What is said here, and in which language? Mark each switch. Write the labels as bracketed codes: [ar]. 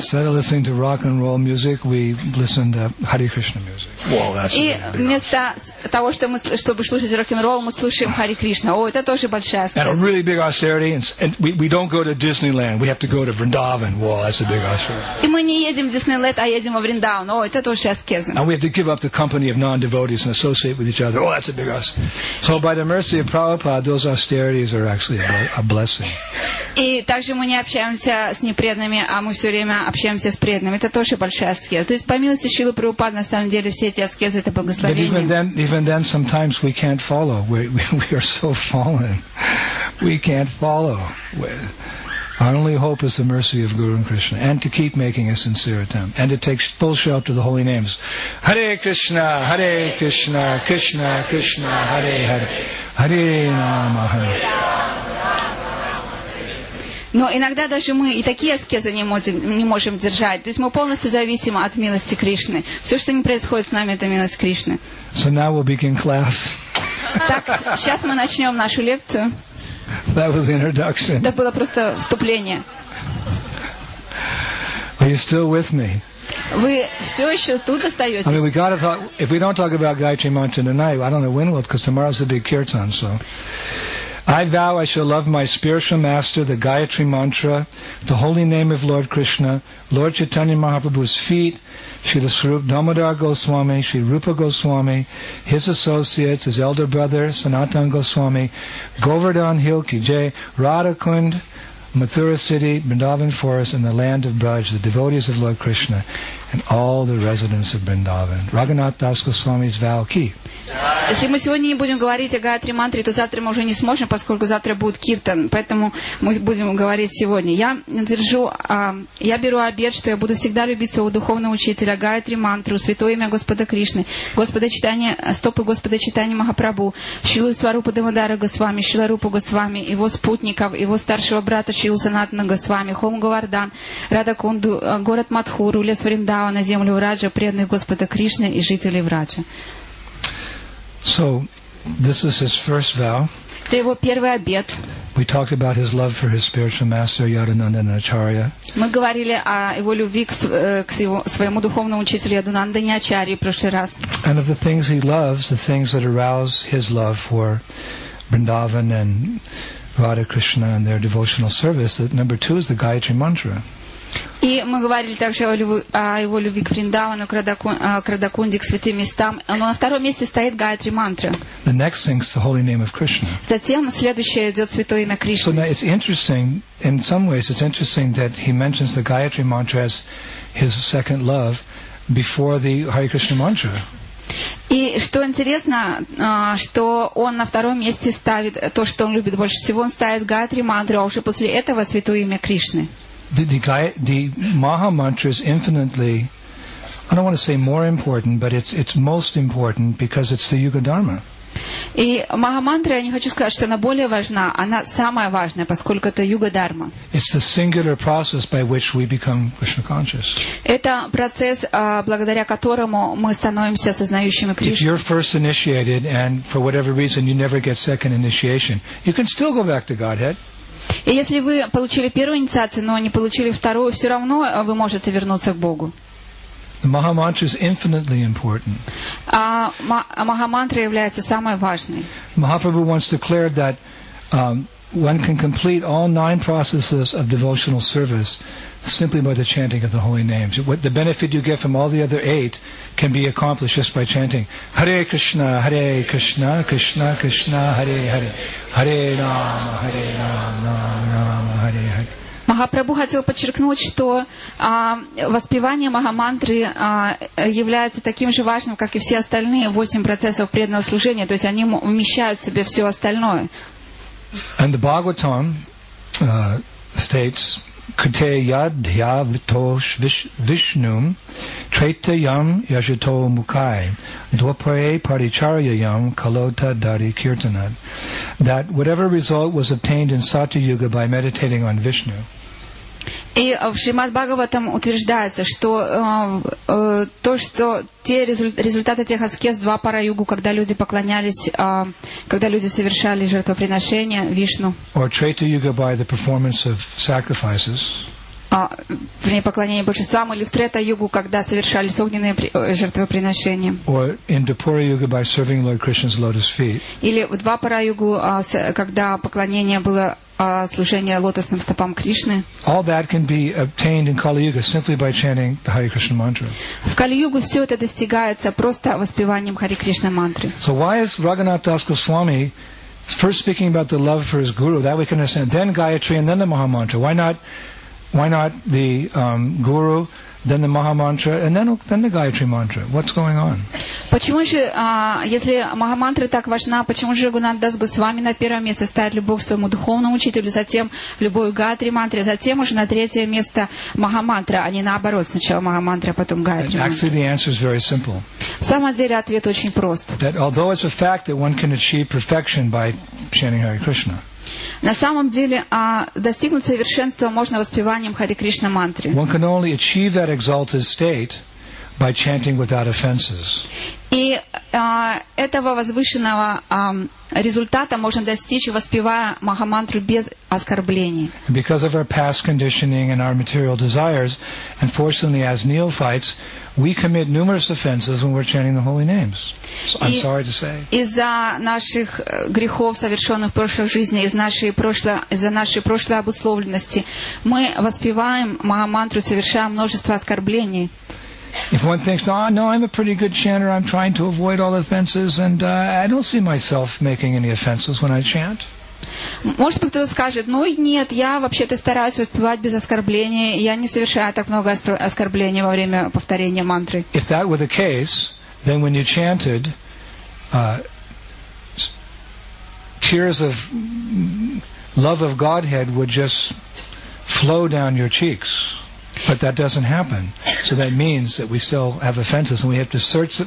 [en] Instead of listening to rock and roll music, we listen to Hare Krishna music. Wow, that's [ru] И вместо того, чтобы слушать рок-н-ролл, мы слушаем Hare Krishna. О, это тоже большая аскеза. [en] And a really big austerity. And we don't go to Disneyland. We have to go to Vrindavan. Wow, that's a big austerity. [ru] И мы не едем в Диснейленд, а едем во Вриндаван. О, это тоже аскеза. [en] And we have to give up the company of non-devotees and associate with each other. Oh, that's a big austerity. So by the mercy of Prabhupada, those austerities are actually a blessing. [ru] И также мы не общаемся с непреданными, а мы все время общаемся с преданными. Это тоже большая аскеза. То есть, по милости Шилы Прабхупады, на самом деле, все эти аскезы — это благословение. [en] But even then, sometimes we can't follow. We are so fallen. We can't follow. Our only hope is the mercy of Guru and Krishna, and to keep making a sincere attempt, and to take full shelter of the holy names. [sa] Hare Krishna, Hare Krishna, Krishna Krishna, Hare Hare, Hare Rama, Hare. [ru] Но иногда даже мы и такие аскезы не можем держать. То есть мы полностью зависим от милости Кришны. Все, что не происходит с нами, это милость Кришны. [en] So now we'll begin class. [ru] Так, сейчас мы начнем нашу лекцию. [en] That was the introduction. [ru] Это было просто вступление. [en] Are you still with me? [ru] Вы все еще тут остаетесь? [en] I mean, we gotta talk. If we don't talk about Gayatri Mantra tonight, I don't know when we'll, because tomorrow's the big kirtan, so. I vow I shall love my spiritual master, the Gayatri Mantra, the holy name of Lord Krishna, Lord Chaitanya Mahaprabhu's feet, Srila Swarup Damodar Goswami, Sri Rupa Goswami, his associates, his elder brother, Sanatana Goswami, Govardhan Hill, Kijay, Radhakund, Mathura City, Vrindavan Forest, and the land of Braj, the devotees of Lord Krishna, and all the residents of Vrindavan. Raghunath Das Goswami's vow ki. [ru] Если мы сегодня не будем говорить о Гаятри Мантре, то завтра мы уже не сможем, поскольку завтра будет киртан. Поэтому мы будем говорить сегодня. Я беру обет, что я буду всегда любить своего духовного учителя, Гаятри Мантру, святое имя Господа Кришны, Господа Читания, стопы Господа Читания Махапрабху, Шилу Сварупа Дамодара Госвами, Шила Рупа Госвами, его спутников, его старшего брата Шилу Санатана Госвами, Хом Говардан, Радакунду, город Матхуру, лес Вриндавана, землю Враджа, преданных Господа Кришны и жителей Враджа. [en] So, this is his first vow. [ru] Это его первый обет. [en] We talked about his love for his spiritual master, Yadunandana Acharya. [ru] Мы говорили о его любви к своему духовному учителю Ядунандане Ачарье в прошлый раз. [en] And of the things he loves, the things that arouse his love for Vrindavan and Radha Krishna and their devotional service, that number two is the Gayatri Mantra. [ru] И мы говорили также о его любви к Вриндавану, к Радакунде, к святым местам. Но на втором месте стоит Гаятри Мантра. [en] The next thing is the holy name of Krishna. [ru] Затем следующее идет святое имя Кришны. [en] So now it's interesting, in some ways it's interesting that he mentions the Gayatri Mantra as his second love before the Hare Krishna Mantra. [ru] И что интересно, что он на втором месте ставит то, что он любит больше всего, он ставит Гаятри Мантру, а уже после этого святое имя Кришны. [en] The Maha Mantra is infinitely, I don't want to say more important, but it's most important because it's the Yuga Dharma. [ru] И Махамантра, я не хочу сказать, что она более важна, она самая важная, поскольку это юга-дарма. [en] It's the singular process by which we become Krishna conscious. [ru] Это процесс, благодаря которому мы становимся сознающими Кришну. [en] If you're first initiated and for whatever reason you never get second initiation, you can still go back to Godhead. [ru] И если вы получили первую инициацию, но не получили вторую, все равно вы можете вернуться к Богу. [en] The Maha Mantra is infinitely important. [ru] Maha Mantra является самой важной. [en] Mahaprabhu once declared that one can complete all nine processes of devotional service simply by the chanting of the holy names. What the benefit you get from all the other eight can be accomplished just by chanting Hare Krishna, Hare Krishna, Krishna Krishna, Hare Hare, Hare Rama, Hare Rama, Rama Rama, Hare Hare. [ru] Махапрабху хотел подчеркнуть, что воспевание Махамантры является таким же важным, как и все остальные восемь процессов преданного служения, то есть они вмещают в себе все остальное. [en] And the Bhagavatam states [sa] Krite yadhyavito vishnum treitayam yajito mukai dvapare paricharyayam kalota dari kirtanat, [en] that whatever result was obtained in Satya Yuga by meditating on Vishnu. [ru] И в Шримад Бхагаватам утверждается, что то, что те результаты тех аскез два пара югу, когда люди поклонялись, когда люди совершали жертвоприношение Вишну. [en] Or treta yuga by the performance of sacrifices. [ru] Вне поклонения божествам или в трета югу, когда совершали огненные жертвоприношения. [en] Or in dvapara yuga by serving Lord Krishna's lotus feet. [ru] Или в два пара югу, когда поклонение было служение лотосным стопам Кришны. [en] All that can be obtained in Kali Yuga simply by chanting the Hare Krishna mantra. [ru] В Кали Югу все это достигается просто воспеванием Хари Кришна мантры. [en] So why is Raghunath Das Goswami first speaking about the love for his guru? That we can understand. Then Gayatri and then the Maha Mantra. Why not the guru, then the Maha Mantra, and then the Gayatri Mantra? What's going on? [ru] Почему же, если Маха Мантра так важна, почему же Рагунат Дас Госвами на первое место ставит любовь к своему духовному учителю, затем любовь к Гаятри Мантре, затем уже на третье место Маха Мантра, а не наоборот, сначала Маха Мантра, а потом Гаятри Мантра? [en] Actually, the answer is very simple. [ru] В самом деле, ответ очень прост. [en] That although it's a fact that one can achieve perfection by chanting Hare Krishna, [ru] на самом деле, достигнуть совершенства можно воспеванием Хари Кришна мантры. [en] One can only achieve that exalted state by chanting without offenses. [ru] И этого возвышенного результата можно достичь, воспевая Махамантру без оскорблений. [en] Because of our past conditioning and our material desires, unfortunately, as neophytes, we commit numerous offenses when we're chanting the holy names. I'm sorry to say. [ru] Из-за наших грехов, совершенных в прошлой жизни, из-за нашей прошлой обусловленности, мы воспеваем Махамантру, совершая множество оскорблений. [en] If one thinks, oh, no, I'm a pretty good chanter, I'm trying to avoid all offenses, and I don't see myself making any offenses when I chant. [ru] Может быть, кто-то скажет, ну нет, я вообще-то стараюсь воспевать без оскорблений, я не совершаю так много оскорблений во время повторения мантры. [en] If that were the case, then when you chanted, tears of love of Godhead would just flow down your cheeks. But that doesn't happen. So that means that we still have offenses, and we have to search.